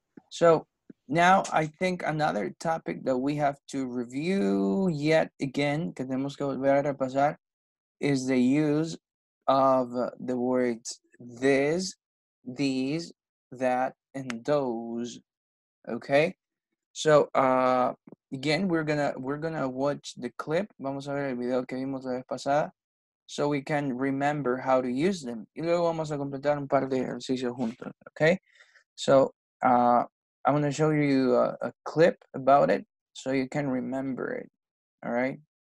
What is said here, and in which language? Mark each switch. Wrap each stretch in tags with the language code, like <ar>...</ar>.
<en>So now I think another topic that we have to review yet again,</en> <es>que tenemos que volver a repasar,</es> <en>is the use of the words this, these, that, and those. Okay, so again, we're gonna watch the clip.</en> <es>Vamos a ver el video que vimos la vez pasada,</es> <en>so we can remember how to use them.</en> <es>Y luego vamos a completar un par de ejercicios juntos.</es> <en>Okay, so I'm gonna show you a clip about it, so you can remember it. All right.</en>